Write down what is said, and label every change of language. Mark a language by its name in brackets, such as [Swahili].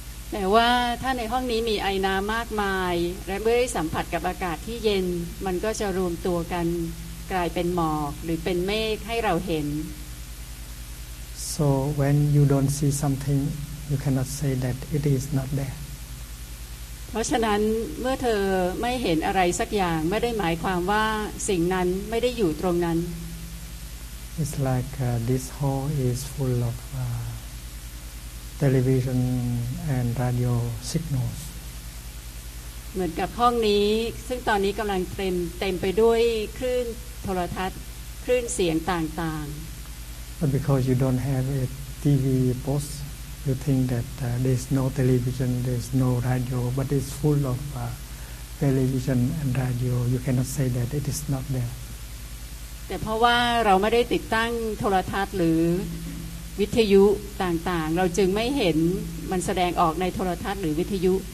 [Thai] แต่ว่าถ้าในห้องนี้มีไอน้ำมากมายและเมื่อได้สัมผัสกับอากาศที่เย็นมันก็จะรวมตัวกันกลายเป็นหมอกหรือเป็นเมฆให้เราเห็น [English] so when you don't see somethingYou cannot say that it is not there. [Thai] เพราะฉะนั้นเมื่อเธอไม่เห็นอะไรสักอย่างไม่ได้หมายความว่าสิ่งนั้นไม่ได้อยู่ตรงนั้น [English] It's like this hall is full of television and radio signals. [Thai] เหมือนกับห้องนี้ซึ่งตอนนี้กำลังเต็มไปด้วยคลื่นโทรทัศน์คลื่นเสียงต่าง [English] ๆ But because you don't have a TV postYou think that there's no television, there's no radio, but it's full of television and radio. You cannot say that it is not there. But because we haven't installed television or radio, we can't see it manifesting on television or radio.